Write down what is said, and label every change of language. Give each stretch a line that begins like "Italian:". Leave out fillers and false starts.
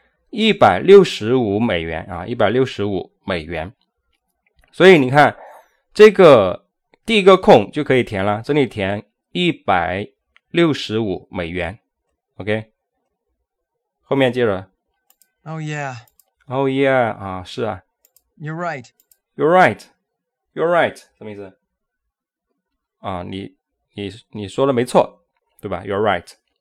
Chinese: 165美元啊，165美元，所以你看这个第一个空就可以填了，这里填165美元 ，OK， 后面接着。
English: Oh yeah,
Chinese: 啊，是啊。
English: You're right. You're right. You're right.
Chinese: 什么意思？你说的没错，对吧 ？
English: You're right.